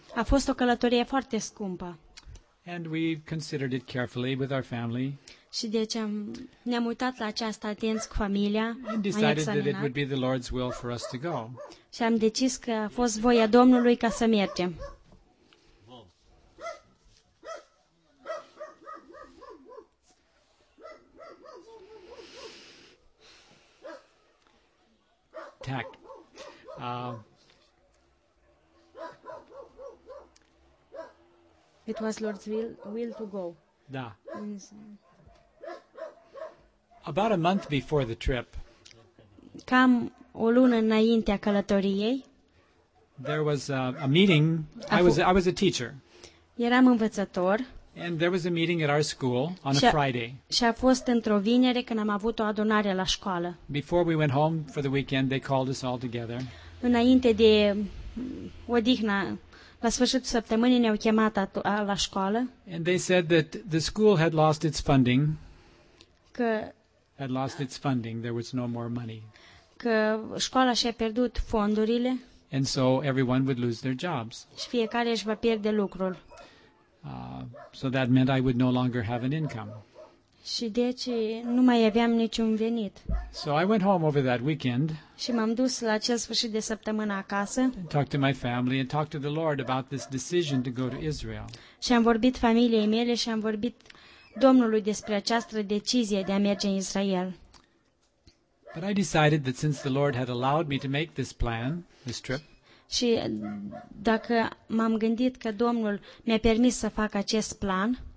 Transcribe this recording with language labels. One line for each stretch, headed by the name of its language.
Romanian: A fost o călătorie foarte scumpă.
English: And we considered it carefully with our family.
Romanian: Și deci ne-am uitat la aceasta atenți cu familia.
English: And decided that it would be the Lord's will for us to go.
Romanian: Și am decis că a fost voia Domnului ca să mergem. Tack.
English: It was Lord's will to go.
Romanian: Da.
English: About a month before the trip.
Romanian: Cam o lună înaintea călătoriei.
English: There was a meeting. I was a teacher.
Romanian: Eram învățător.
English: And there was a meeting at our school on a Friday.
Romanian: Și a fost într-o vinere când am avut o adunare la școală.
English: Before we went home for the weekend, they called us all together.
Romanian: Înainte de odihna. La sfârșitul săptămânii ne-au chemat la școală.
English: And they said that the school had lost its funding. There was no more money.
Romanian: Că școala și-a pierdut fondurile.
English: And so everyone would lose their jobs.
Romanian: Și fiecare își va pierde lucrul.
English: So that meant I would no longer have an income.
Romanian: Și deci nu mai aveam niciun venit.
English: So I went home over that weekend.
Romanian: Și m-am dus la acel sfârșit de săptămână acasă.
English: And talked to my family and talked to the Lord about this decision to go to Israel.
Romanian: Și am vorbit familiei mele și am vorbit Domnului despre această decizie de a merge în Israel.
English: But I decided that since the Lord had allowed me to make this plan, this trip.
Romanian: Și dacă m-am gândit că Domnul mi-a permis să fac acest plan,